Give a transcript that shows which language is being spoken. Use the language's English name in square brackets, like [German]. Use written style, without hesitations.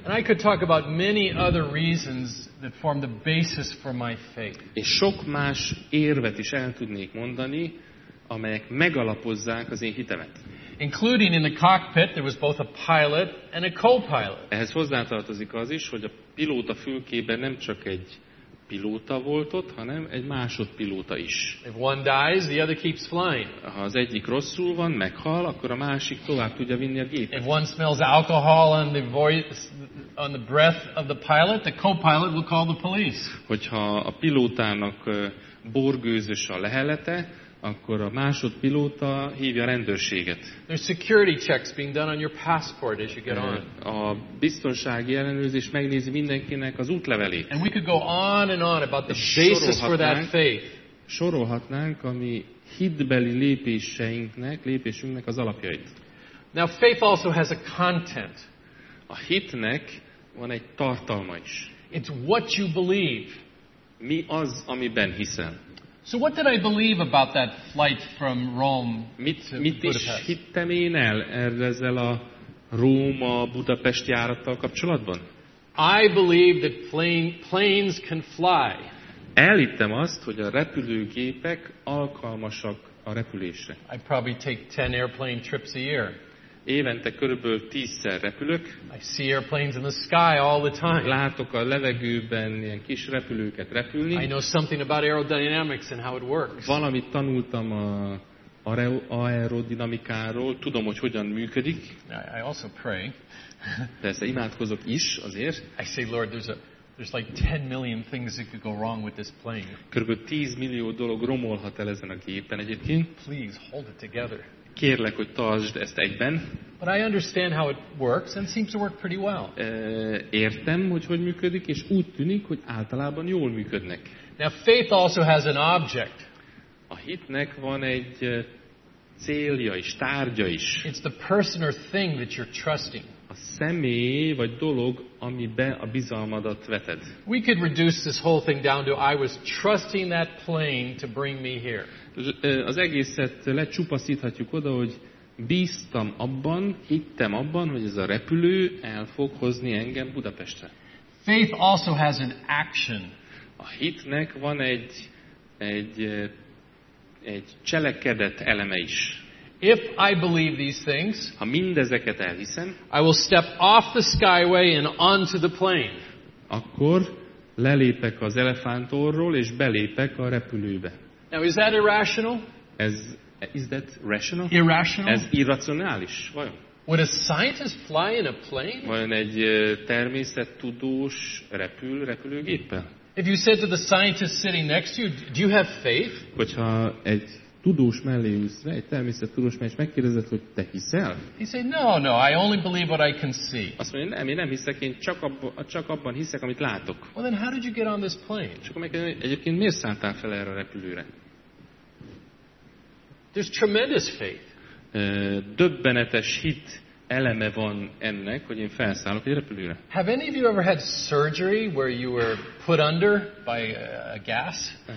[English] And I could talk about many other reasons that form the basis for my faith. [Hungarian] És sok más érvet is el tudnék mondani, amelyek megalapozzák az én hitemet. [English] Including in the cockpit, there was both a pilot and a co-pilot. [Hungarian] Ehhez hozzátartozik az is, hogy a pilóta fülkében nem csak egy pilóta volt ott, hanem egy másodpilóta is. [English] If one dies, the other keeps flying. [Hungarian] Ha az egyik rosszul van, meghal, akkor a másik tovább tudja vinni a gépet. [English] If one smells alcohol on the voice, on the breath of the pilot, the co-pilot will call the police. [Hungarian] Hogyha a pilótának borgőzös a lehelete, akkor a másodpilóta hívja a rendőrséget. [English] There's security checks being done on your passport as you get on. [Hungarian] A biztonsági ellenőrzés megnézi mindenkinek az útlevelét. [English] And we could go on and on about the basis for that faith. [Hungarian] Sorolhatnánk a mi hitbeli lépésünknek az alapjait. [English] Now faith also has a content. [Hungarian] A hitnek van egy tartalma is. [English] It's what you believe. [Hungarian] Mi az, amiben hiszel? [English] So what did I believe about that flight from Rome to Budapest? [Hungarian] Mit is hittem én el ezzel a Róma-Budapesti járattal kapcsolatban? [English] I believe that planes can fly. [Hungarian] Elhittem azt, hogy a repülőgépek alkalmasak a repülésre. [English] I probably take 10 airplane trips a year. [Hungarian] Évente körülbelül 10-szer repülök. [English] I see airplanes in the sky all the time. [Hungarian] Látok a levegőben ilyen kis repülőket repülni. [English] I know something about aerodynamics and how it works. [Hungarian] Valamit tanultam a aerodinamikáról, tudom, hogy hogyan működik. [English] I also pray. [Hungarian] Persze imádkozok is azért. [English] I say, Lord, there's like 10 million things that could go wrong with this plane. [Hungarian] Körülbelül 10 millió dolog romolhat el ezen a gépen egyébként. [English] Please hold it together. [Hungarian] Kérlek, hogy tartsd ezt egyben. [English] But I understand how it works and seems to work pretty well. [Hungarian] Értem, hogy működik, és úgy tűnik, hogy általában jól működnek. [English] Now faith also has an object. [Hungarian] A hitnek van egy célja is, tárgya is. [English] It's the person or thing that you're trusting. [Hungarian] A személy vagy dolog, amibe a bizalmadat veted. [English] We could reduce this whole thing down to I was trusting that plane to bring me here. [Hungarian] Az egészet lecsupaszíthatjuk oda, hogy bíztam abban, hittem abban, hogy ez a repülő el fog hozni engem Budapestre. [English] Faith also has an action. [Hungarian] A hitnek van egy cselekedet eleme is. [English] If I believe these things, [Hungarian] ha mindezeket elhiszem, [English] I will step off the skyway and onto the plane. [Hungarian] Akkor lelépek az elefántorról és belépek a repülőbe. [English] Now is that irrational? Is that rational? Irrational? [Hungarian] Ez irracionális, vajon? [English] Would a scientist fly in a plane? [Hungarian] Vajon egy természettudós repülőgéppel? [English] If you said to the scientist sitting next to you, do you have faith? [Hungarian] Hogyha egy tudós mellé ülsz rá, egy természettudós mellé, és megkérdezed, hogy te hiszel? [English] He said, no, no, I only believe what I can see. [Hungarian] Azt mondja, nem, én nem hiszek, én csak abban hiszek, amit látok. [English] Well, then how did you get on this plane? [Hungarian] És akkor megkérdezed, egyébként miért szálltál fel erre a repülőre? [English] There's tremendous faith. [Hungarian] Döbbenetes hit eleme van ennek, hogy én felszállok egy repülőre. [English] Have any of you ever had surgery where you were put under by a gas?